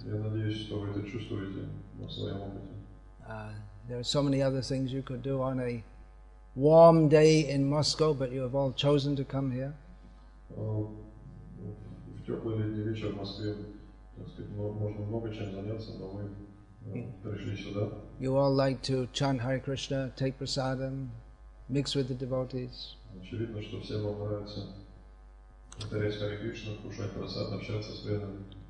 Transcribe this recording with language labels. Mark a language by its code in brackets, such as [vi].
[ru] Я надеюсь, что вы это чувствуете на своем опыте. [en] There are so many other things you could do on a warm day in Moscow, but you have all chosen to come here. [ru] В теплый летний вечер в Москве, так сказать, можно много чем заняться, но мы пришли сюда. [en] You all like to chant Hare Krishna, take prasadam, mix with the devotees. [ru] Очевидно, что всем вам нравится повторять Hare Krishna, кушать прасад, общаться с преданными.